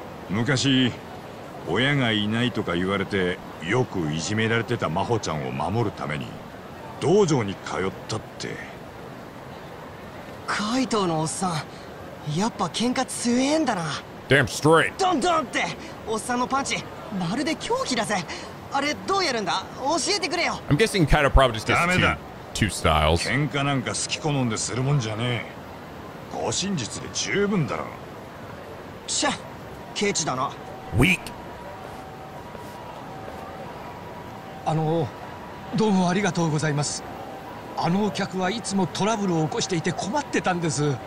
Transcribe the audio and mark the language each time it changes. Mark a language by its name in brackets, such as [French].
[Japanese] 昔親がいないとか言われてよくいじめられてた真帆ちゃんを守るために道場に通ったって。カイトのおっさん、やっぱ喧嘩強えんだな。 [English] Damn straight。 [Japanese] ドンドンって、おっさんのパンチまるで狂気だぜ。あれどうやるんだ、教えてくれよ。 [English] I'm guessing Kaito probably just gets two styles。 [Japanese] 喧嘩なんか好き好んでするもんじゃねえ。護身術で十分だろ。しゃ、ケチだな。 [English] Weak。 [Japanese] どうもありがとうございます。あのお客はいつもトラブルを起こしていて困ってたんです。